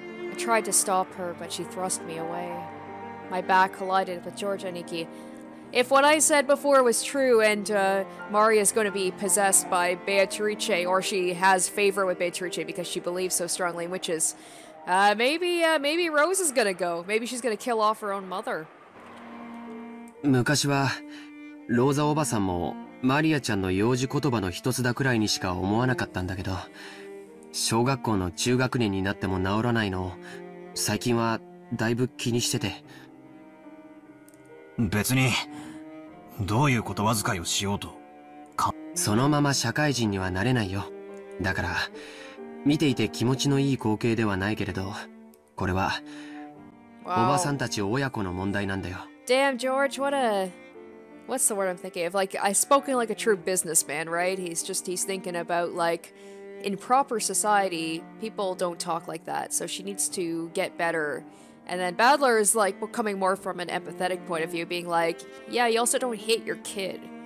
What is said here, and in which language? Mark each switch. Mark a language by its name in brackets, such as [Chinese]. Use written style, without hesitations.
[English] I tried to stop her, but she thrust me away. My back collided with Georgia Niki. If what I said before was true, and Maria is going to be possessed by Beatrice, or she has favor with Beatrice because she believes so strongly in witches, maybe Rose is going to go. Maybe she's going to kill off her own mother. [Japanese] 昔はローザおばさんもマリアちゃんの幼児言葉の一つだくらいにしか思わなかったんだけど、小学校の中学年になっても治らないのを最近はだいぶ気にしてて。別にどういう言葉遣いをしようとか、そのまま社会人にはなれないよ。だから見ていて気持ちのいい光景ではないけれど、これはおばさんたち親子の問題なんだよ。 [English] Damn, George, what's the word I'm thinking of? Like, I've spoken like a true businessman, right? He's thinking about, like, in proper society, people don't talk like that, so she needs to get better. And then Badler is, like, coming more from an empathetic point of view, being like, yeah, you also don't hate your kid.